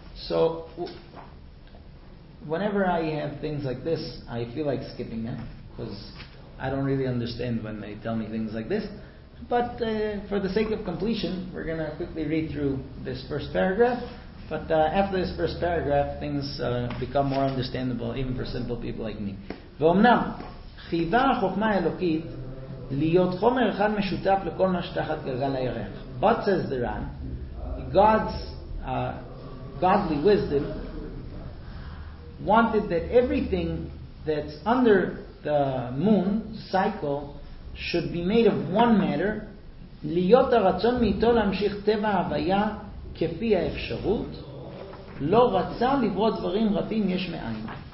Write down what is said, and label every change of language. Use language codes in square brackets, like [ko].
[en] So, whenever I have things like this, I feel like skipping them, because I don't really understand when they tell me things like this. But for the sake of completion, we're going to quickly read through this first paragraph. But after this first paragraph, things become more understandable, even for simple people like me. [he] ואומנם, חיבה החוכמה האלוקית להיות חומר אחד משותף לכל מה שתחת גלגל הירח. [en] But says the Ran, God's godly wisdom wanted that everything that's under the moon cycle should be made of one matter, [he] להיות הרצון מאיתו להמשיך טבע ההוויה כפי האפשרות, לא רצה לברות דברים רבים יש מאין.